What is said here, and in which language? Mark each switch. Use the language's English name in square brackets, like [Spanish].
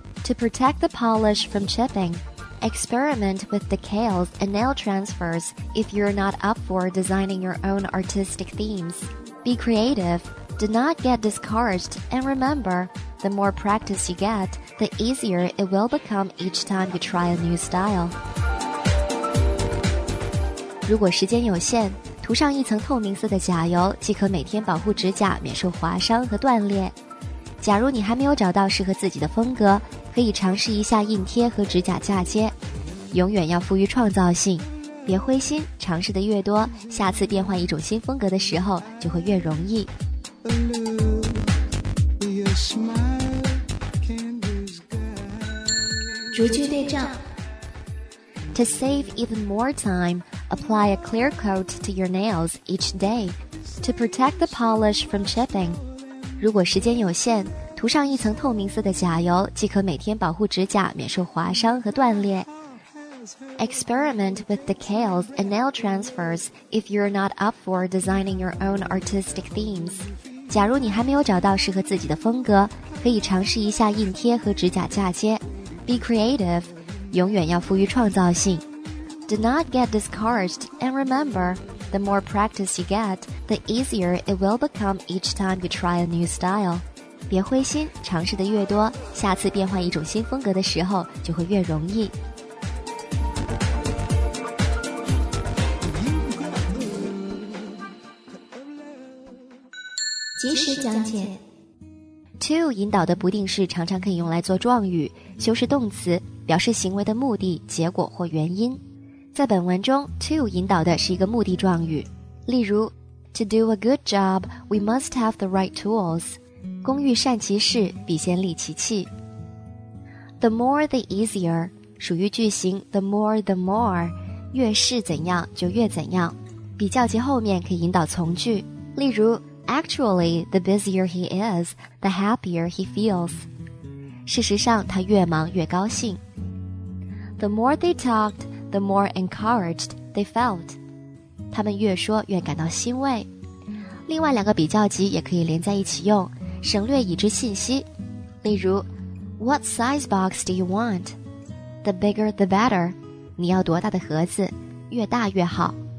[English] To protect the polish from chipping, experiment with decals and nail transfers if you're not up for designing your own artistic themes. Be creative, do not get discouraged, and remember, the more practice you get, the easier it will become each time you try a new style. [Chinese] 如果时间有限，涂上一层透明色的甲油，即可每天保护指甲免受划伤和断裂。假如你还没有找到适合自己的风格，可以尝试一下印贴和指甲嫁接。永远要富于创造性，别灰心，尝试的越多，下次变换一种新风格的时候就会越容易。逐句对照。 [English] To save even more time, apply a clear coat to your nails each day to protect the polish from chipping. [Chinese] 如果时间有限，涂上一层透明色的甲油，即可每天保护指甲免受划伤和断裂。 [English] Experiment with decals and nail transfers if you're not up for designing your own artistic themes. [Chinese] 假如你还没有找到适合自己的风格，可以尝试一下印贴和指甲嫁接。 [English] Be creative. [Chinese] 永远要赋予创造性。 [English] Do not get discouraged, and remember, the more practice you get, the easier it will become each time you try a new style. [Chinese] 别灰心，尝试的越多，下次变换一种新风格的时候就会越容易。及时讲解。 To 引导的不定式常常可以用来做状语，修饰动词，表示行为的目的、结果或原因。在本文中 ，to 引导的是一个目的状语，例如 [English] ，To do a good job, we must have the right tools. [Chinese] 工欲善其事，必先利其器。 [English] The more, the easier. [Chinese] 属于句型 ，the more, the more. 越是怎样就越怎样。比较级后面可以引导从句，例如 [English] ，Actually, the busier he is, the happier he feels. [Chinese] 事实上他越忙越高兴。 [English] The more they talked, the more encouraged they felt. [Chinese] 他们越说越感到欣慰。另外两个比较级也可以连在一起用，省略已知信息。例如 [English] What size box do you want? The bigger the better. [Chinese] 你要多大的盒子，越大越好。